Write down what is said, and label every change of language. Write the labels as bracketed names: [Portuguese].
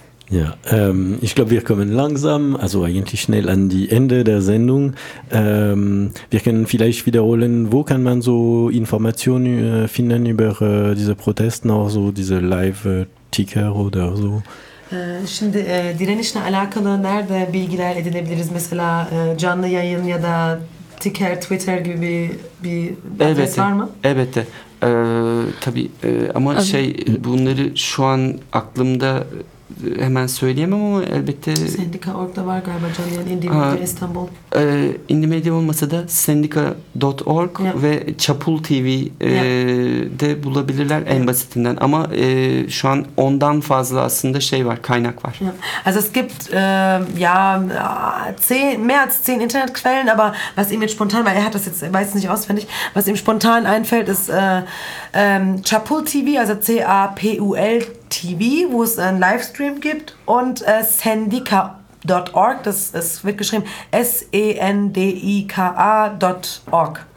[German] Ja, ich glaube, wir kommen langsam, also eigentlich schnell an die Ende der Sendung. Wir können vielleicht wiederholen, wo kann man so Informationen finden über diese Protesten, auch so diese Live-Ticker oder so? [Turkish] Şimdi direnişle alakalı nerede bilgiler edinebiliriz? Mesela canlı yayın ya da ticker, Twitter gibi bir adres var mı? Elbette. Tabii ama abi, şey bunları şu an aklımda hemen söyleyemem ama elbette sendika.org'da var galiba canlı yayın indie İstanbul. Indie Media olmasa da sendika.org yep. ve Çapul TV'de yep. bulabilirler en basitinden ama şu an ondan fazla aslında şey var, kaynak var. Yep. [German] Also es gibt ja mehr als 10 Internetquellen, aber was ihm jetzt spontan, weil er hat das jetzt weiß nicht auswendig, was ihm spontan einfällt ist Çapul TV, also Çapul TV, wo es einen Livestream gibt und sendika.org, das wird geschrieben sendika.org.